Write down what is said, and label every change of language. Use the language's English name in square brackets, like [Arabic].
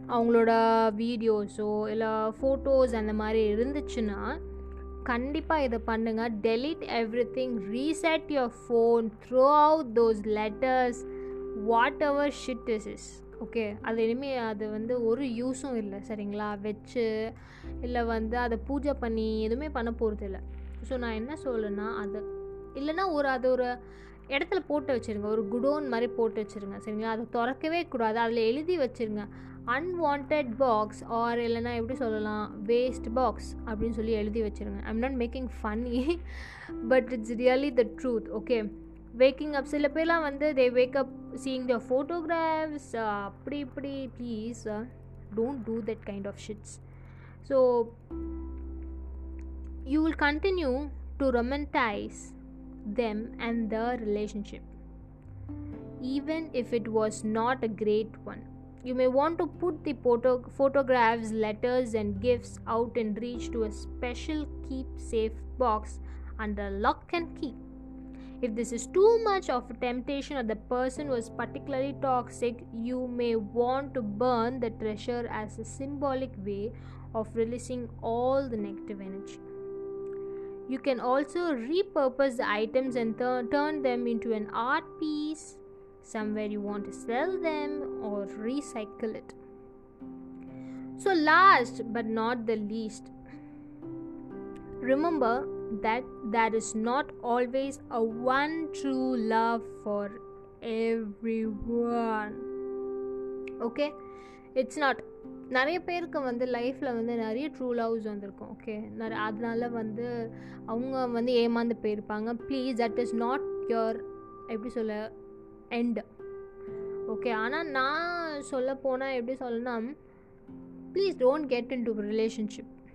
[Tamil] அவங்களோட videos இல்லை photos அந்த மாதிரி இருந்துச்சுன்னா கண்டிப்பாக இதை பண்ணுங்கள். [English] Delete everything, reset your phone, throw out those letters, whatever shit this is. [Tamil] Okay, அது இனிமேல் அது வந்து ஒரு யூஸும் இல்லை, சரிங்களா? வச்சு இல்லை வந்து அதை பூஜை பண்ணி எதுவுமே பண்ண போகிறது இல்லை. ஸோ நான் என்ன சொல்லுன்னா, அது இல்லைனா ஒரு அது ஒரு இடத்துல போட்டு வச்சுருங்க, ஒரு குடோன் மாதிரி போட்டு வச்சுருங்க, சரிங்களா? அதை திறக்கவே கூடாது, அதில் எழுதி வச்சுருங்க, அன்வான்ட் பாக்ஸ், ஆர் இல்லைனா எப்படி சொல்லலாம், வேஸ்ட் பாக்ஸ் அப்படின்னு சொல்லி எழுதி வச்சுருங்க. [English] I am not making funny, but it's really the truth. Okay, waking up, [Tamil] சில பேர்லாம் வந்து [English] they wake up seeing the photographs, [Tamil] அப்படி இப்படி. [English] Please don't do that kind of shits. So you will continue to romanticize them and the relationship, even if it was not a great one. You may want to put the photographs, letters, and gifts out in reach to a special keep safe box under lock and key. If this is too much of a temptation or the person was particularly toxic, you may want to burn the treasure as a symbolic way of releasing all the negative energy. You can also repurpose the items and turn them into an art piece somewhere you want to sell them or recycle it. So last but not the least, remember that there is not always a one true love for everyone. Okay? It's not. [Tamil] நிறைய பேருக்கு வந்து லைஃப்பில் வந்து நிறைய true loves வந்திருக்கும். Okay, நிறைய அதனால் வந்து அவங்க வந்து ஏமாந்து போயிருப்பாங்க. [English] please, that is not your [Tamil] எப்படி சொல்ல [English] எண்டு. ஓகே, [Tamil] ஆனால் நான் சொல்ல போனால் எப்படி சொல்லணும், [English] Please don't get into relationship.